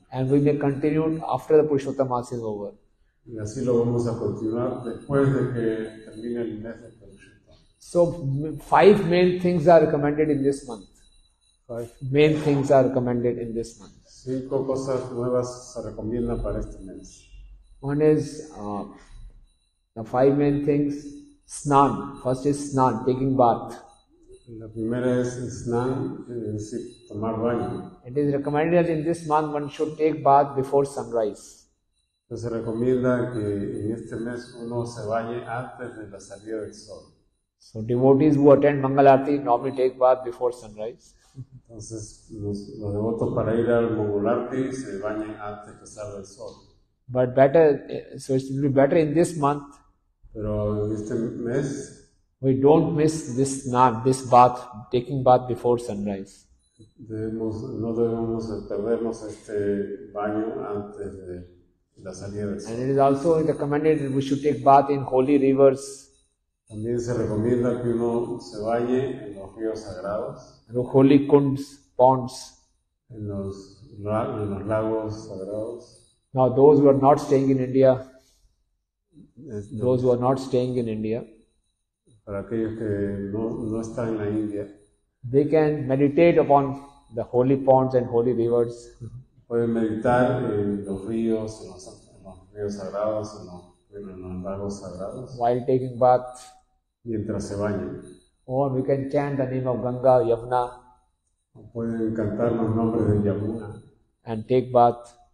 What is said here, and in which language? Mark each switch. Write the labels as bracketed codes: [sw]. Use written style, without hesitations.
[en] And we may continue after the Purushottam mass is over. [es] Y así lo vamos a continuar después de que termine el mes de Purushottam. [en] So five main things are recommended in this month. [es] Cinco cosas nuevas se recomiendan para este mes. [en] One is the five main things. Snan. First is snan, taking bath. [es] La primera es snan, es decir, tomar baño. [en] It is recommended that in this month one should take bath before sunrise. [es] Entonces se recomienda que en este mes uno se bañe antes de la salida del sol. [en] So devotees who attend Mangalarti normally take bath before sunrise. [es] Entonces los devotos para ir al Mangalarti se bañan antes de pasar el sol. [en] But better, so it will be better in this month. [es] Pero en este mes [en] we don't miss this snan, this bath, taking bath before sunrise. [es] No debemos perdernos este baño antes de la salida del sol. [en] And it is also recommended that we should take bath in holy rivers. [es] También se recomienda que uno se bañe en los ríos sagrados. [en] The holy kunds, ponds. [es] En los lagos sagrados. [en] Now those who are not staying in India. Those who are not staying in India. [es] Para aquellos que no están en la India. [en] They can meditate upon the holy ponds and holy rivers. [es] Pueden meditar en los ríos, en los ríos sagrados, en los lagos sagrados. [en] While taking bath. [es] Mientras se bañan. [en] Or we can chant the name of Ganga, Yamuna. [es] Pueden cantar los nombres de Yamuna. [en] And take bath.